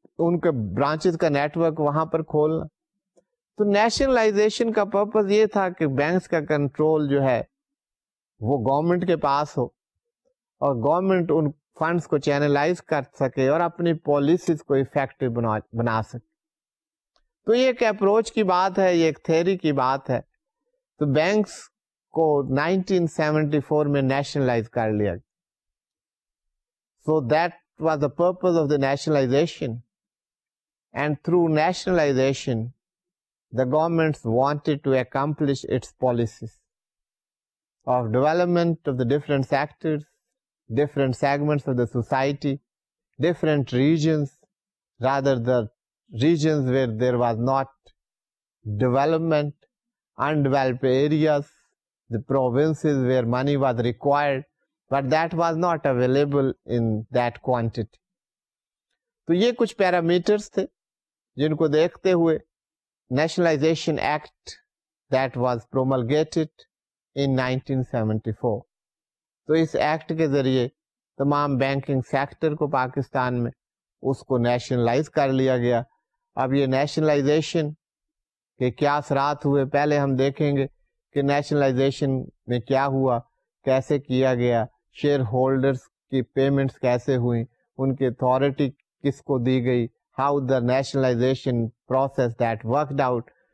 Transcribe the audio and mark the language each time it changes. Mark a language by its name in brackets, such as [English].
[Urdu] ان کے برانچز کا نیٹورک وہاں پر کھولنا. تو نیشنلائزیشن کا پرپز یہ تھا کہ بینکس کا کنٹرول جو ہے وہ گورنمنٹ کے پاس ہو اور گورنمنٹ ان فنڈس کو چینلائز کر سکے اور اپنی پالیسیز کو افیکٹو بنا سکے. تو یہ ایک اپروچ کی بات ہے, یہ ایک تھیوری کی بات ہے. تو بینکس کو 1974 میں نیشنلائز کر لیا. [English] So that was the purpose of the nationalisation. And through nationalisation the governments wanted to accomplish its policies of development of the different sectors, different segments of the society, different regions, rather the regions where there was not development, undeveloped areas, the provinces where money was required, but that was not available in that quantity. So, [Urdu] ye kuch parameters the jinko dekhte hue [English] Nationalization Act that was promulgated in 1974. [Urdu] تو اس act کے ذریعے تمام banking sector کو پاکستان میں اس کو nationalize کر لیا گیا. اب یہ نیشنلائزیشن کے کیا اثرات ہوئے, پہلے ہم دیکھیں گے کہ نیشنلائزیشن میں کیا ہوا, کیسے کیا گیا, شیئر ہولڈرز کی پیمنٹس کیسے ہوئیں, ان کی اتھارٹی کس کو دی گئی, [English] How the nationalisation process that worked out.